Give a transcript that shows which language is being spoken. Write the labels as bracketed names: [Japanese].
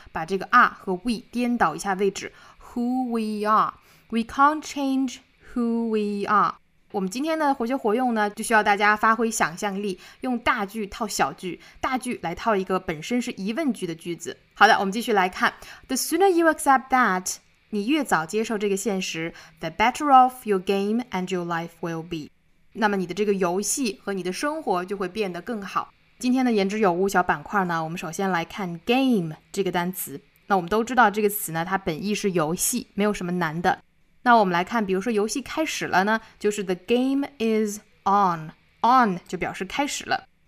[Chinese] 把这个 are 和 we 颠倒一下位置 , [English] who we are。 We can't change who we are. [Chinese] 我们今天的活学活用呢，就需要大家发挥想象力，用大句套小句，大句来套一个本身是疑问句的句子。好的，我们继续来看。 [English] The sooner you accept that, [Chinese] 你越早接受这个现实 [English] ,the better off your game and your life will be. [Chinese] 那么你的这个游戏和你的生活就会变得更好。今天的言之有物小板块呢，我们首先来看 game 这个单词。那我们都知道这个词呢，它本意是游戏，没有什么难的。那我们来看，比如说游戏开始了呢，就是 [English] the game is on, [Chinese] on 就表示开始了。